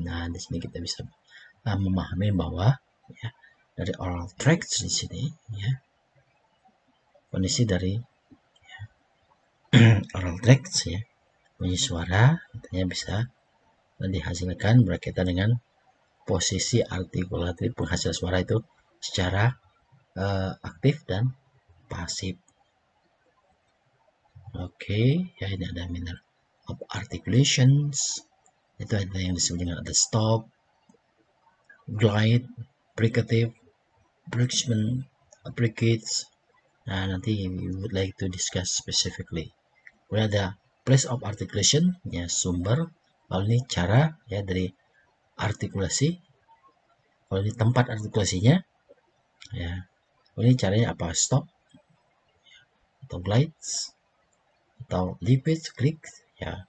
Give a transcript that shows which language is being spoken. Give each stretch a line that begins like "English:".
Indonesian: Nah, di sini kita bisa memahami bahwa ya, dari oral tract di sini ya, kondisi dari ya, oral tract ya, bunyi suara katanya bisa dihasilkan berkaitan dengan posisi artikulasi penghasil suara itu secara aktif dan pasif. Oke, ya, ini ada manner of articulations, itu ada yang disebut dengan ada stop, glide, fricative, bridgeman, applicates. Nah, nanti
English: we would like to discuss specifically.
Indonesian: Kemudian ada place of articulation ya, sumber. Kalau ini cara ya dari artikulasi. Kalau ini tempat artikulasinya ya. Kalau ini caranya apa, stop atau glides atau lipids, click ya.